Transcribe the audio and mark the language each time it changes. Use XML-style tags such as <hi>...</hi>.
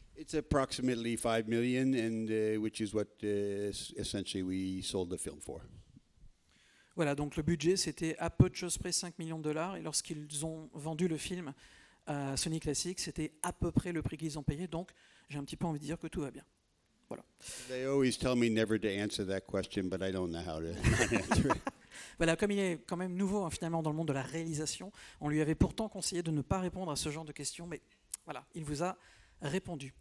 <en>It's approximately $5 million, and which is what essentially we sold the film for.</en> <fr>Voilà, donc le budget, c'était à peu de choses près $5 million, et lorsqu'ils ont vendu le film à Sony Classics, c'était à peu près le prix qu'ils ont payé. Donc, j'ai un petit peu envie de dire que tout va bien. Voilà.</fr> <en>They always tell me never to answer that question, but I don't know how to answer it.</en> <fr>Voilà, comme il est quand même nouveau, hein, finalement, dans le monde de la réalisation, on lui avait pourtant conseillé de ne pas répondre à ce genre de questions, mais voilà, il vous a répondu.</fr>